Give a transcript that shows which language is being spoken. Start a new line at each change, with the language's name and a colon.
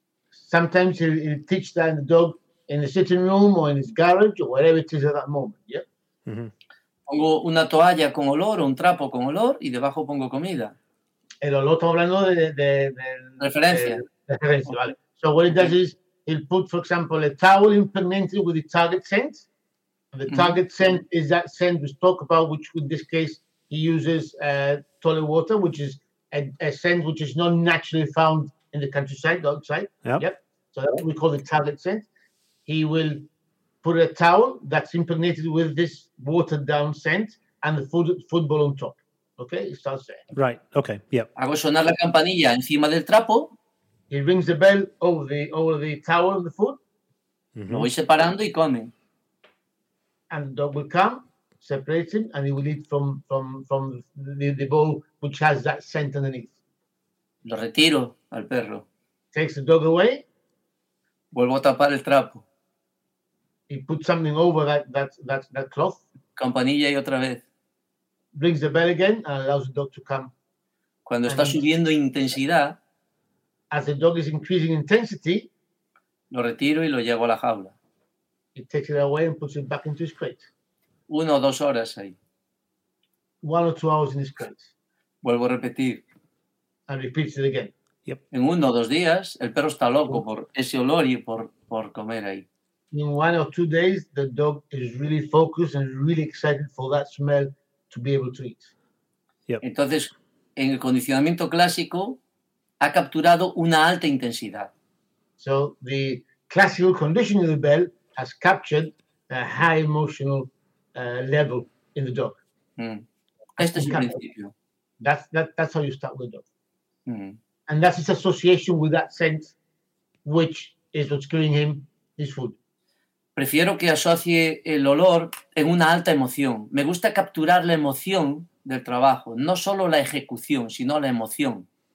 English: Sometimes he'll teach that the dog in the sitting room or in his garage or wherever it is at that moment. Yeah. Mm-hmm.
Spanish: Pongo una toalla con olor o un trapo con olor y debajo pongo comida. El olor está hablando de referencia. Referencia,
English: okay. vale. So what he does okay. is he'll put, for example, a towel impregnated with the target scent. The target mm-hmm. scent is that scent we talk about, which in this case he uses toilet water, which is a scent which is not naturally found in the countryside, the outside. Yep. Yep. So that's what we call the target scent. He will put a towel that's impregnated with this watered-down scent and the football on top. Okay? It starts there. Right. Okay. Yep.
Spanish: Hago sonar la campanilla encima del trapo.
English: He rings the bell over the towel and the food. Mm-hmm.
Spanish: Lo voy separando y come.
English: And the dog will come. Separate him, and he will eat from the bowl, which has that scent underneath.
Spanish: Lo retiro al perro.
English: Takes the dog away.
Spanish: Vuelvo a tapar el trapo.
English: He puts something over that cloth.
Spanish: Campanilla y otra vez.
English: Brings the bell again and allows the dog to come.
Spanish: Cuando and está subiendo intensidad.
English: As the dog is increasing intensity.
Spanish: Lo retiro y lo llevo a la jaula.
English: He takes it away and puts it back into his crate.
Spanish: 1 o 2 horas ahí.
English: 1 or 2 hours in his crate.
Spanish: Vuelvo a repetir.
English: And repeats it again. Yep.
Spanish: En 1 o 2 días, el perro está loco por ese olor y por comer ahí.
English: In 1 or 2 days, the dog is really focused and really excited for that smell to be able to eat. Yep.
Spanish: Entonces, en el condicionamiento clásico, ha capturado una alta intensidad.
English: So, the classical conditioning of the bell has captured a high emotional level in the dog. Mm.
Spanish: Este es el principio.
English: That's how you start with the dog. Mm. And that's his association with that scent, which is what's giving him his food.
Spanish: Prefiero que asocie el olor en una alta emoción. Me gusta capturar la emoción del trabajo, no solo la ejecución, sino la emoción.